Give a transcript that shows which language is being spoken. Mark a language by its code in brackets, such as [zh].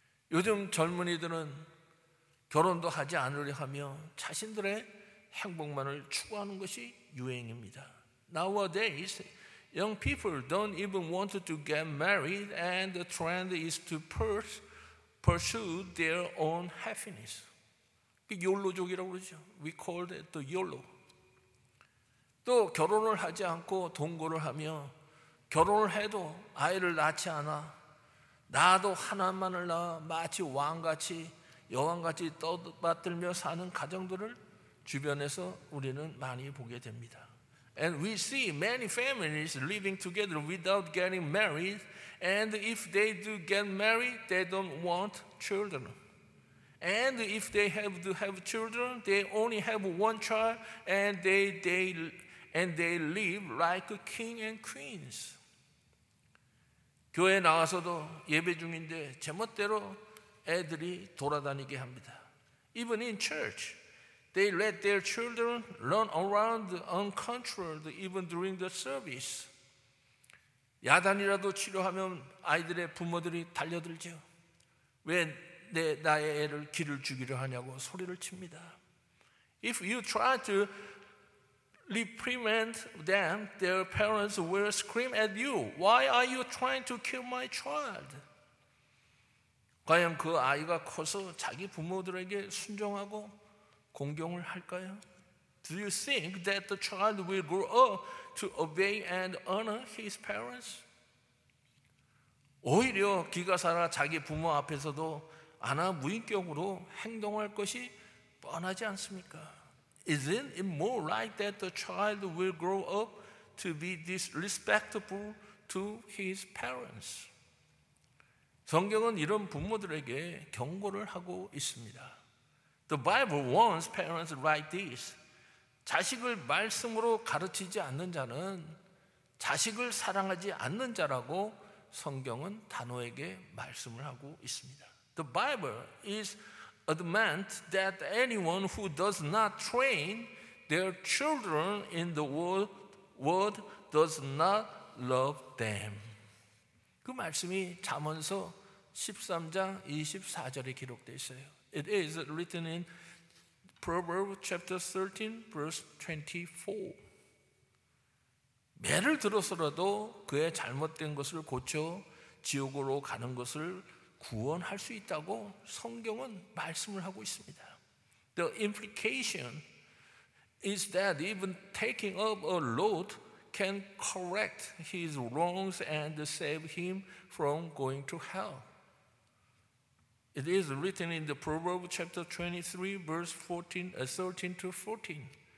[ko] 요즘 젊은이들은 결혼도 하지 않으려 하며 자신들의 행복만을 추구하는 것이 유행입니다. [en] Nowadays, young people don't even want to get married and the trend is to pursue their own happiness. [ko] 그 욜로족이라고 그러죠. [en] We call it the YOLO. [ko] 또 결혼을 하지 않고 동거를 하며 결혼을 해도 아이를 낳지 않아 나도 하나만을 낳아 마치 왕같이 여왕같이 떠받들며 사는 가정들을 주변에서 우리는 많이 보게 됩니다. [en] And we see many families living together without getting married. And if they do get married, they don't want children. And if they have to have children, they only have one child and they live like a king and queens. [ko] 교회 나와서도 예배 중인데 제멋대로 애들이 돌아다니게 합니다. [en] Even in church, they let their children run around uncontrolled even during the service. [ko] 야단이라도 치료하면 아이들의 부모들이 달려들죠. 왜 내 나의 애를 길을 죽이려 하냐고 소리를 칩니다. [en] If you try to reprimand them, their parents will scream at you. Why are you trying to kill my child? [ko] 과연 그 아이가 커서 자기 부모들에게 순종하고 공경을 할까요? [en] Do you think that the child will grow up to obey and honor his parents? [ko] 오히려 기가사나 자기 부모 앞에서도 아나 무인격으로 행동할 것이 뻔하지 않습니까? [en] Isn't it more like that the child will grow up to be disrespectful to his parents? [ko] 성경은 이런 부모들에게 경고를 하고 있습니다. [en] The Bible warns parents like this. [ko] 자식을 말씀으로 가르치지 않는 자는 자식을 사랑하지 않는 자라고 성경은 단호하게 말씀을 하고 있습니다. [en] The Bible is adamant that anyone who does not train their children in the word does not love them. [ko] 그 말씀이 잠언서 13장 24절에 기록되어 있어요. [en] It is written in Proverbs chapter 13 verse 24. [ko] 매를 들어서라도 그의 잘못된 것을 고쳐 지옥으로 가는 것을 구원할 수 있다고 성경은 말씀을 하고 있습니다. [en] The implication is that even taking up a load can correct his wrongs and save him from going to hell. It is written in the Proverbs chapter 23 verse 13 to 14.